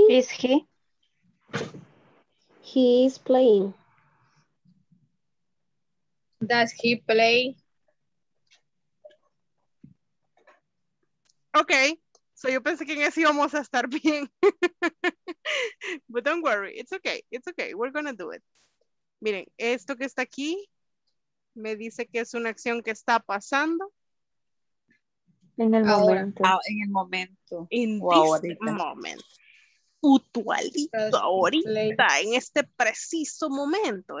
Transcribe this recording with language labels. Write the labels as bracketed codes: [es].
[en] Is he? He is playing. Does he play? [es] Okay, so yo pensé que en ese íbamos a estar bien. [en] But don't worry, it's okay, we're gonna do it. [es] Miren, esto que está aquí me dice que es una acción que está pasando. En el momento. En el momento. [en] In this moment. [es] Utualito ahorita, en este preciso momento.